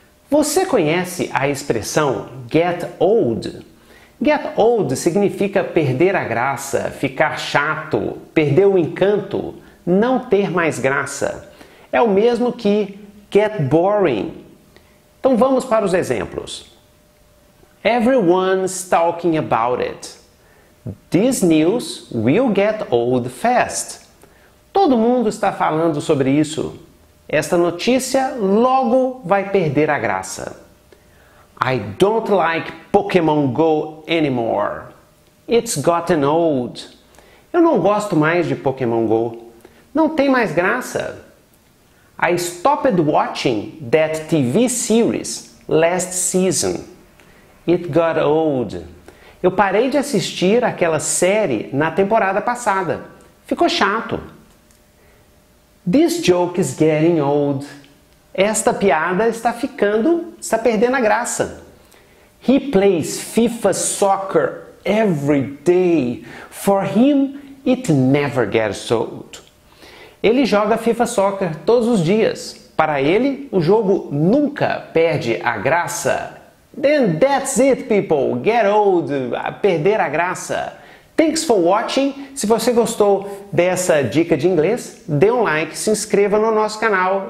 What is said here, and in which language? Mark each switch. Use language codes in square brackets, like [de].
[pt] Você conhece a expressão get old? Get old significa perder a graça, ficar chato, perder o encanto, não ter mais graça. É o mesmo que get boring. Então vamos para os exemplos. [en] Everyone's talking about it. This news will get old fast. [pt] Todo mundo está falando sobre isso. Esta notícia logo vai perder a graça. [en] I don't like Pokémon Go anymore. It's gotten old. [pt] Eu não gosto mais de Pokémon Go. Não tem mais graça. [en] I stopped watching that TV series last season. It got old. [pt] Eu parei de assistir aquela série na temporada passada. Ficou chato. [en] This joke is getting old. [pt] Esta piada está perdendo a graça. [en] He plays FIFA soccer every day. For him, it never gets old. [pt] Ele joga FIFA Soccer todos os dias. Para ele, o jogo nunca perde a graça. [en] Then that's it, people. Get old. [pt] Perder a graça. [en] Thanks for watching. [pt] Se você gostou dessa dica de inglês, dê um like, se inscreva no nosso canal.